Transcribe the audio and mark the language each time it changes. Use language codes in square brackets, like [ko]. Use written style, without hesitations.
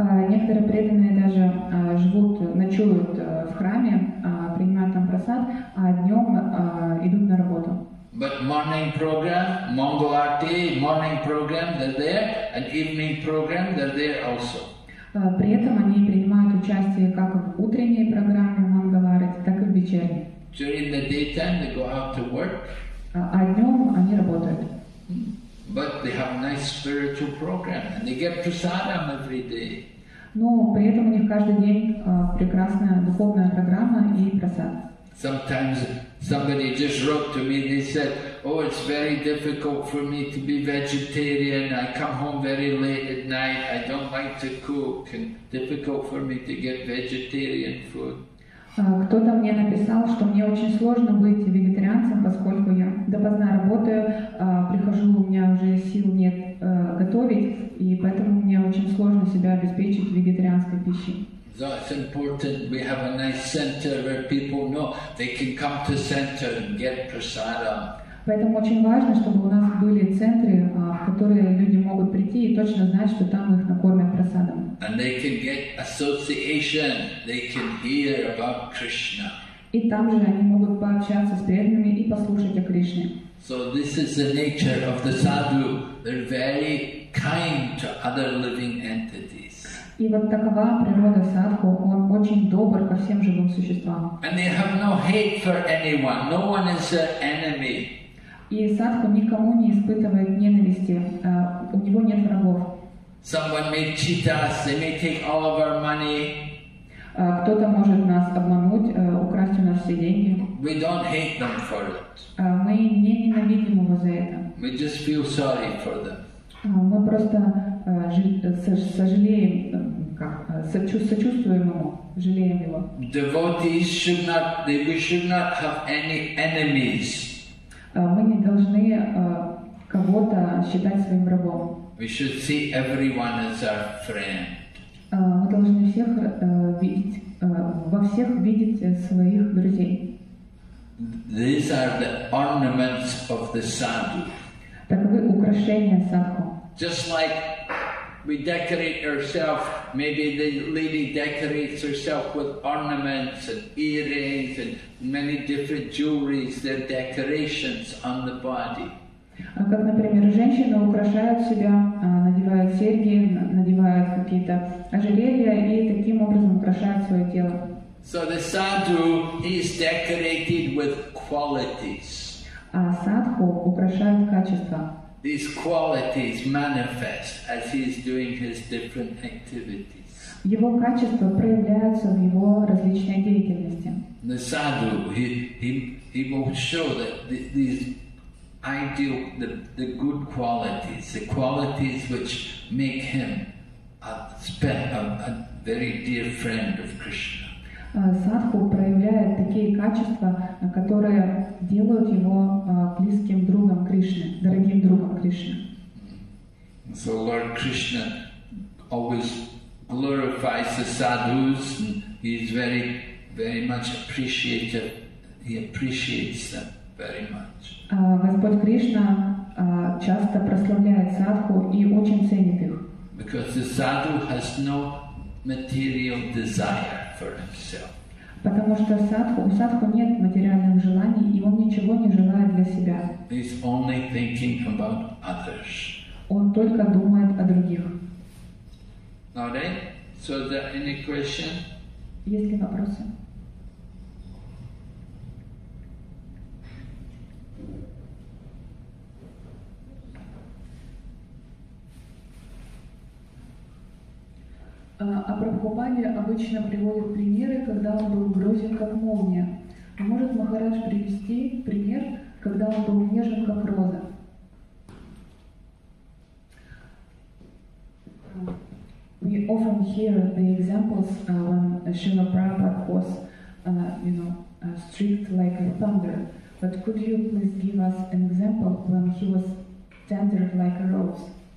[ru] Некоторые преданные даже живут, ночуют в храме, принимают там прасад, а днем идут на работу. [en] But morning program, Mangal Aarti, morning program, they're there, and evening program, they're there also. [ru] При этом они принимают участие как в утренней программе Mangal Aarti, так и в вечерней. [en] During the daytime, they go out to work. [ru] А днем они работают. [en] But they have a nice spiritual program, and they get prasadam every day. [ru] Но при этом у них каждый день прекрасная духовная программа и прасад. [en] Sometimes somebody just wrote to me. They said, "Oh, it's very difficult for me to be vegetarian. I come home very late at night. I don't like to cook, and difficult for me to get vegetarian food." [ru] Кто-то мне написал, что мне очень сложно быть вегетарианцем, поскольку я допоздна работаю, прихожу, у меня уже сил нет готовить, и поэтому мне очень сложно себя обеспечить вегетарианской пищей. [en] So it's important we have a nice center where people know they can come to center and get prasadam. [ru] Поэтому очень важно, чтобы у нас были центры, в которые люди могут прийти и точно знать, что там их накормят прасадом. [en] And they can get association, they can hear about Krishna. [ru] И там же они могут пообщаться с преданными и послушать о Кришне. [en] So this is the nature of the sadhu. They're very kind to other living entities. [ru] И вот такова природа садху. Он очень добр ко всем живым существам. [en] And they have no hate for anyone. No one is their enemy. [ru] И садху никому не испытывает ненависти. У него нет врагов. [en] Someone may cheat us. They may take all of our money. [ru] Кто-то может нас обмануть, украсть у нас все деньги. [en] We don't hate them for it. [ru] Мы не ненавидим его за это. [en] We just feel sorry for them. [ru] Мы просто сожалеем, сочувствуем ему, жалеем его. [en] Devotees should not. We should not have any enemies. [ru] Мы не должны кого-то считать своим врагом. [en] We should see everyone as our friend. [ru] Мы должны всех видеть, во всех видеть своих друзей. [en] These are the ornaments of the sadhu. [ru] Таковы украшения садху. [en] Just like we decorate ourselves, maybe the lady decorates herself with ornaments and earrings and many different jewelries, their decorations on the body. [ru] Как, например, женщины украшают себя, надевают серьги, надевают какие-то ожерелья и таким образом украшают свое тело. [en] So the sadhu is decorated with qualities. [ru] А садху украшают качества. [en] These qualities manifest as he is doing his different activities. [ru] Его качества проявляются в его различной деятельности. [en] The sadhu, he will show that these ideal, the good qualities, the qualities which make him a very dear friend of Krishna. [ru] Садху проявляет такие качества, которые делают его близким другом Кришны, дорогим другом Кришны. [en] So Lord Krishna always glorifies the sadhus, and he is very, very much appreciated. He appreciates them very much. [ru] Господь Кришна часто прославляет садху и очень ценит их. [en] Because the sadhu has no material desire for himself. [ru] Потому что садху, у садху нет материальных желаний, и он ничего не желает для себя. [en] He's only thinking about others. [ru] Он только думает о других. [en] Now then, so is there any question? [ru] Есть ли вопросы? А Прабхупаде обычно приводит примеры, когда он был грозен, как молния. Может Махарадж привести пример, когда он был нежен, как роза? [en] We often hear the examples when Srila Prabhupada was, strict like a thunder. But could you please give us an example when he was tender like a rose?